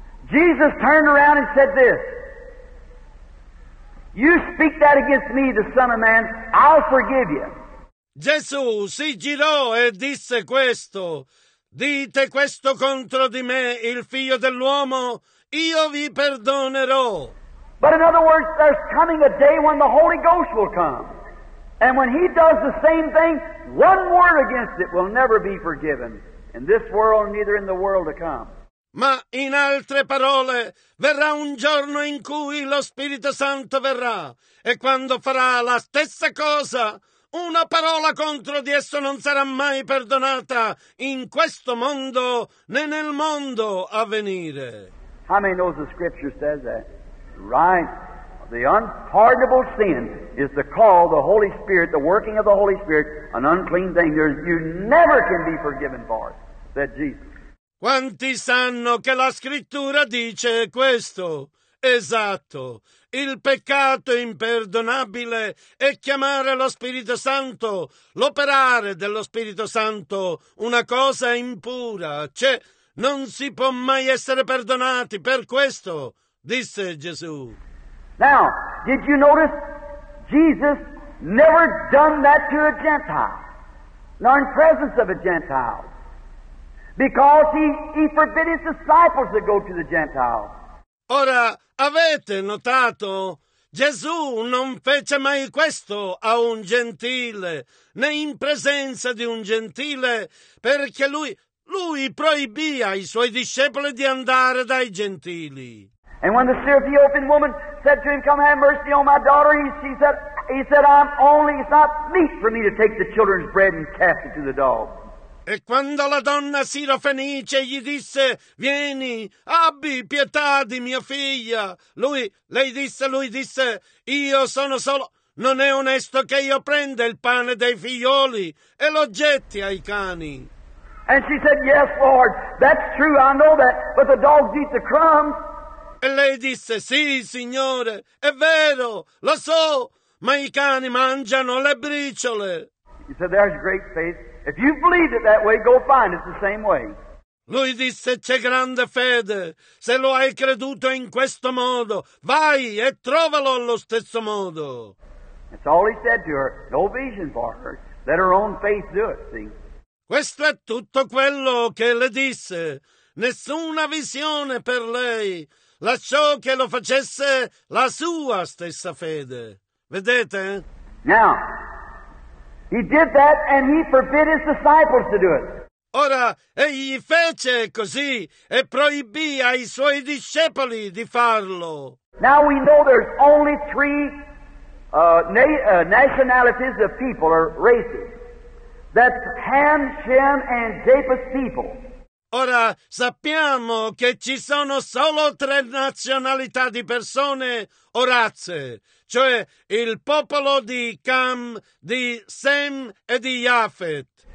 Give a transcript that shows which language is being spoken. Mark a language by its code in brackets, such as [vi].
[en] Jesus turned around and said this, "You speak that against me, the Son of Man, I'll forgive you." [it] Gesù si girò e disse questo, "Dite questo contro di me, il figlio dell'uomo, io vi perdonerò." [en] But in other words, there's coming a day when the Holy Ghost will come. And when he does the same thing, one word against it will never be forgiven, in this world, neither in the world to come. [it] Ma in altre parole, verrà un giorno in cui lo Spirito Santo verrà, e quando farà la stessa cosa, una parola contro di esso non sarà mai perdonata in questo mondo, né nel mondo a venire. [en] How many knows the scripture says that? Right. The unpardonable sin is the call of the Holy Spirit, the working of the Holy Spirit, an unclean thing. You never can be forgiven for it, said Jesus. [it] Quanti sanno che la scrittura dice questo? Esatto. Il peccato imperdonabile è chiamare lo Spirito Santo, l'operare dello Spirito Santo, una cosa impura. Cioè, non si può mai essere perdonati per questo, disse Gesù. [en] Now, did you notice Jesus never done that to a Gentile, nor in presence of a Gentile, because he forbid his disciples to go to the Gentiles. [it] Ora, avete notato? Gesù non fece mai questo a un gentile, né in presenza di un gentile, perché lui proibì ai suoi discepoli di andare dai gentili. [en] And when the Syrophoenician woman said to him, come have mercy on my daughter, he said, I'm only, it's not meet for me to take the children's bread and cast it to the dogs. [it] E quando la donna Sirofenice gli disse, vieni, abbi pietà di mia figlia, lui disse, io sono solo, non è onesto che io prenda il pane dei figlioli e lo getti ai cani. [en] And she said, yes, Lord, that's true, I know that, but the dogs eat the crumbs. [it] E lei disse, sì, signore, è vero, lo so, ma i cani mangiano le briciole. [en] He said, there's great faith. If you believe it that way, go find it the same way. [it] Lui disse, c'è grande fede. Se lo hai creduto in questo modo, vai e trovalo allo stesso modo. [en] That's all he said to her. No vision for her. Let her own faith do it, see. [it] Questo è tutto quello che le disse. Nessuna visione per lei. Lasciò che lo facesse la sua stessa fede. Vedete? [en] Now, he did that and he forbid his disciples to do it. [it] Ora, egli fece così e proibì ai suoi discepoli di farlo. [en] Now we know there's only three nationalities of people or races. That's Ham, Shem and Japheth's people. [it] Ora, sappiamo che ci sono solo tre nazionalità di persone o razze, cioè il popolo di Cam, di Sem e di Japhet.